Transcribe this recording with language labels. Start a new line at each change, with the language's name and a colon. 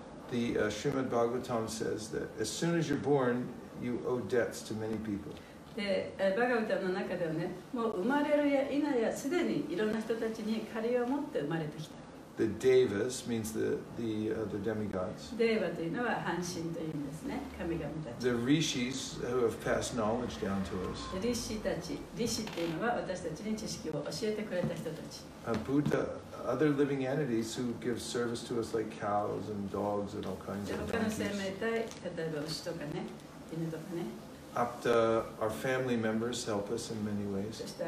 English: The Srimad Bhagavatam says that as soon as you're born, you owe debts to many people.
Japanese: でバガヴァタムの中ではね、もう生まれるや否やすでにいろんな人たちに借りを持って生まれてきた。
English: The devas means the demigods.
Japanese: デーヴァというのは半神というんですね、神々たち。
English: The rishis who have passed knowledge down to us.
Japanese: リシたち、リシというのは私たちに知識を教えてくれた人たち。
English: Buddha, other living entities who give service to us like cows and dogs and all kinds of donkeys.
Japanese: 他の生命体、例えば牛とかね、犬とかね。
English: Apta, our family members help us in many ways.